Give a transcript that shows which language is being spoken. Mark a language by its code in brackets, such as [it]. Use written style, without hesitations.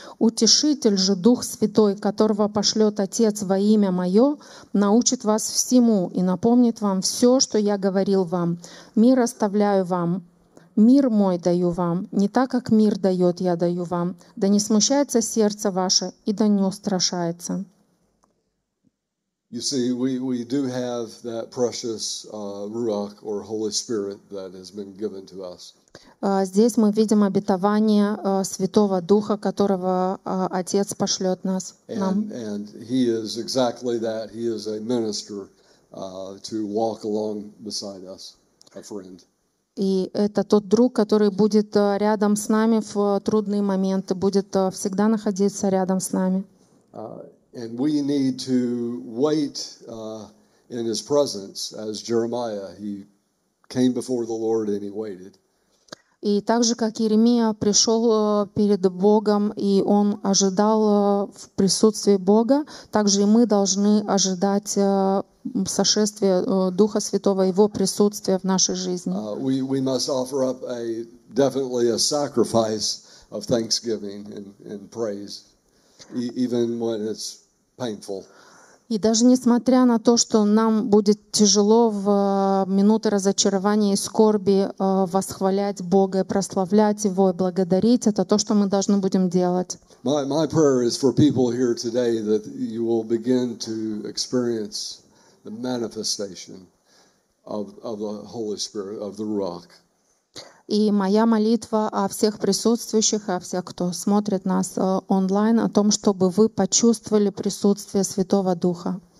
[ru] «Утешитель же, Дух Святой, которого пошлет Отец во имя Мое, научит вас всему и напомнит вам все, что Я говорил вам. Мир оставляю вам, мир Мой даю вам, не так, как мир дает, Я даю вам, да не смущается сердце ваше и да не устрашается». [en] You see, we do have that precious Ruach or Holy Spirit that has been given to us. [ru] Здесь мы видим обетование Святого Духа, которого Отец пошлет нас, нам. [en] And he is exactly that. He is a minister to walk along beside us, a friend. [ru] И это тот друг, который будет рядом с нами в трудные моменты, будет всегда находиться рядом с нами. [en] And we need to wait in His presence, as Jeremiah, he came before the Lord and he waited. [ru] И так же, как Иеремия пришел перед Богом и он ожидал в присутствии Бога, так же и мы должны ожидать сошествия Духа Святого, Его присутствия в нашей жизни. [en] We must offer up a definitely a sacrifice of thanksgiving and praise, even when it's painful. [ru] И даже несмотря на то, что нам будет тяжело в минуты разочарования и скорби восхвалять Бога и прославлять Его и благодарить, это то, что мы должны будем делать. [en] My prayer is for people here today that you will begin to experience the manifestation of the Holy Spirit, of the Ruach. [ru] И моя молитва о всех присутствующих, о всех, кто смотрит нас онлайн, о том, чтобы вы почувствовали присутствие Святого Духа.